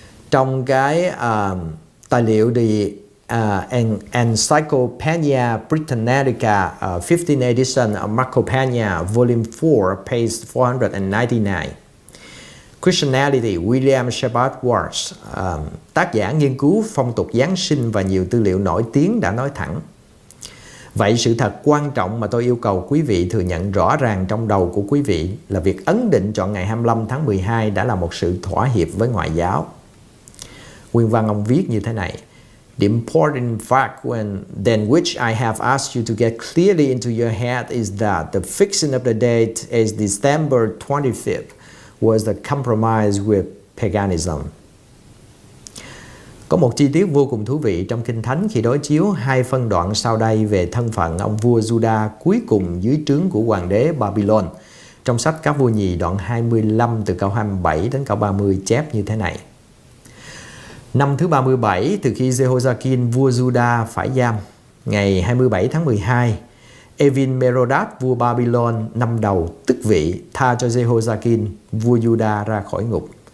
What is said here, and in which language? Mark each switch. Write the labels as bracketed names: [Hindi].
[Vietnamese] Trong cái tài liệu The Encyclopedia Britannica 15th edition of Marco Pena, volume 4, page 499, Christianity, William Shepard Wells, tác giả nghiên cứu phong tục Giáng sinh và nhiều tư liệu nổi tiếng đã nói thẳng: vậy sự thật quan trọng mà tôi yêu cầu quý vị thừa nhận rõ ràng trong đầu của quý vị là việc ấn định chọn ngày 25 tháng 12 đã là một sự thỏa hiệp với ngoại giáo. [English] Nguyên văn ông viết như thế này: The important fact than which I have asked you to get clearly into your head is that the fixing of the date as December 25th was the compromise with paganism. [Vietnamese] Có một chi tiết vô cùng thú vị trong Kinh Thánh khi đối chiếu hai phân đoạn sau đây về thân phận ông vua Juda cuối cùng dưới trướng của hoàng đế Babylon. Trong sách Các Vua Nhì đoạn 25 từ câu 27 đến câu 30 chép như thế này: năm thứ 37 từ khi Jehoiakim vua Juda phải giam, ngày 27 tháng 12, Evin-merodach vua Babylon năm đầu tức vị tha cho Jehoiakim vua Juda ra khỏi ngục.